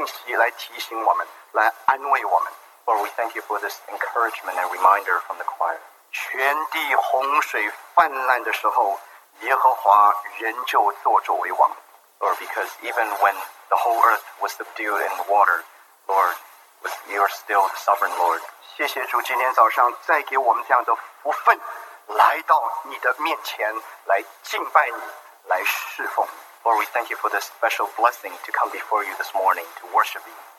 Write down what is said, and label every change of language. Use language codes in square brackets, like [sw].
[zh] 主啊，我们谢谢你借着诗班再一次用这样的信息来提醒我们，来安慰我们。 [en] Lord, we thank you for this encouragement and reminder from the choir. [zh] 全地洪水泛滥的时候，耶和华仍旧坐着为王。 [en] Lord, because even when the whole earth was subdued in water, Lord, you are still the sovereign Lord. [zh] 谢谢主，今天早上再给我们这样的福分，来到你的面前来敬拜你，来侍奉。 [en] Lord, we thank you for this special blessing to come before you this morning to worship you.